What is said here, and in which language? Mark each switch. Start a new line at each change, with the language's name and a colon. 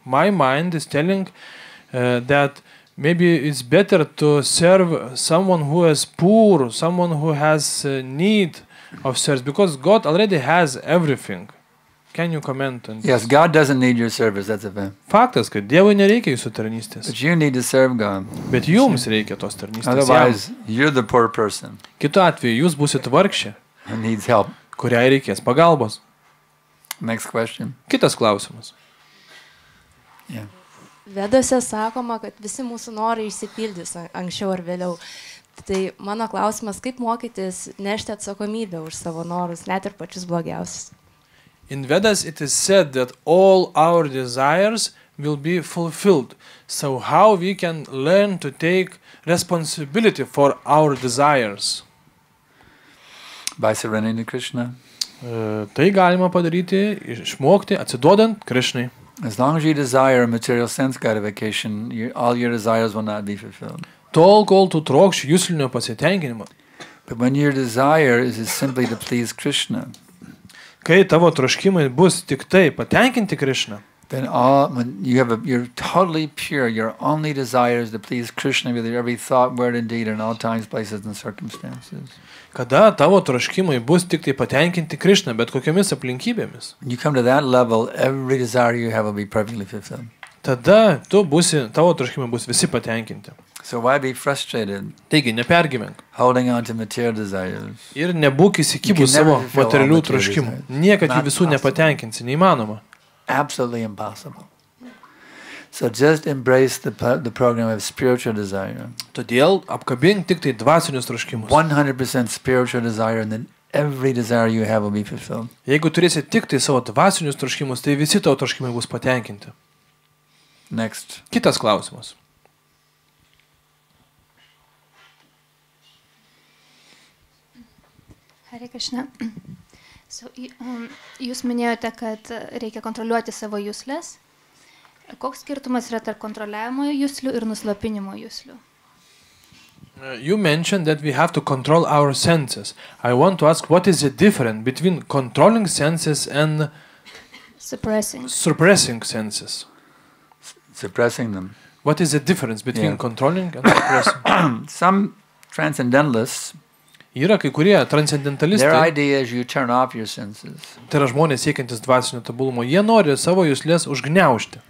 English: My mind is telling that maybe it's better to serve someone who is poor, someone who has need. Of service, because God already has everything. Can you comment on this? Yes, God doesn't need your service, that's a fact.
Lithuanian: Faktas, kad Dievui nereikia jūsų tarnystės.
English: But you need to serve God.
Lithuanian: Bet jums reikia tos tarnystės.
English: Otherwise, you're the poor person.
Lithuanian: Kitu atveju, jūs būsit vargšė.
English: Who needs help.
Lithuanian: Kuriai reikės pagalbos.
English: Next question.
Lithuanian: Kitas klausimas.
English: Yeah.
Lithuanian: Vedose sakoma, kad visi mūsų norai išsipildys anksčiau ar vėliau. Tai mano klausimas, kaip mokytis nešti atsakomybę už savo norus, net ir pačius blogiausius.
English: In Vedas it is said that all our desires will be fulfilled. So how we can learn to take responsibility for our desires? By surrendering to Krishna.
Lithuanian: Tai galima padaryti, išmokti, atsiduodant Krishnai.
English: As long as you desire a material sense gratification, all your desires will not be fulfilled.
Lithuanian: Tol, kol tu trokši juslinio pasitenkinimo.
English: But when your desire is simply to please Krishna.
Lithuanian: Kai tavo troškimai bus tik tai patenkinti Krishna.
English: Then all, when you have you're totally pure, your only desire is to please Krishna with every thought, word and deed in all times, places and circumstances.
Lithuanian: Kada tavo troškimai bus tik tai patenkinti Krishna, bet kokiomis aplinkybėmis.
English: When you come to that level, every desire you have will be perfectly fulfilled.
Lithuanian: Tada tu būsi, tavo troškimai bus visi patenkinti.
English: So why be frustrated?
Lithuanian: Taigi, nepergyvenk.
English: Holding on to material desires.
Lithuanian: Ir nebūk įsikibus savo materialių troškimų. Niekad jų visų nepatenkinsi, neįmanoma.
English: Absolutely impossible. So just embrace the program of spiritual desire.
Lithuanian: Todėl apkabink tik tai dvasinius troškimus.
English: 100% spiritual desire and then every desire you have will be fulfilled.
Lithuanian: Jeigu turėsi tik tai savo dvasinius troškimus, tai visi tavo troškimai bus patenkinti.
English: Next.
Lithuanian: Kitas klausimas.
Sanskrit: Hare Krishna.
Lithuanian: So, jūs minėjote, kad reikia kontroliuoti savo jūslės. Koks skirtumas yra tarp kontroliavimo jūslių ir nuslopinimo jūslių?
English: You mentioned that we have to control our senses. I want to ask, what is the difference between controlling senses and suppressing senses? Suppressing them. What is the difference between controlling and suppressing? Some transcendentalists.
Lithuanian: Yra kai kurie transcendentalistai.
English: Their idea is you turn off your senses.
Lithuanian: Tai yra žmonės siekiantis dvasinio tobulumo. Jie nori savo jūslės užgniaužti.